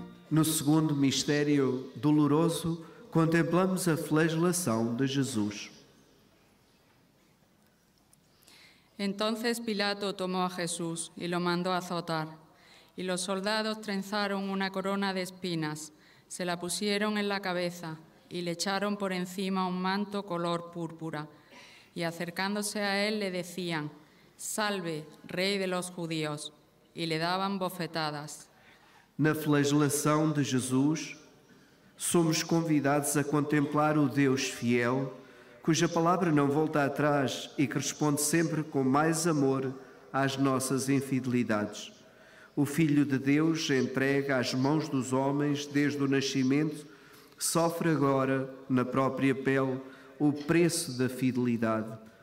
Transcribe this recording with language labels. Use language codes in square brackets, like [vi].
[pt] No segundo mistério doloroso, contemplamos a flagelação de Jesus. [es] Entonces Pilato tomó a Jesús y lo mandó a azotar. Y los soldados trenzaron una corona de espinas, se la pusieron en la cabeza y le echaron por encima un manto color púrpura. Y acercándose a él le decían, «Salve, rey de los judíos», y le daban bofetadas. [pt] Na flagelação de Jesus, somos convidados a contemplar o Deus fiel, cuja palavra não volta atrás e que responde sempre com mais amor às nossas infidelidades. O Filho de Deus entrega às mãos dos homens desde o nascimento, sofre agora, na própria pele, o preço da fidelidade.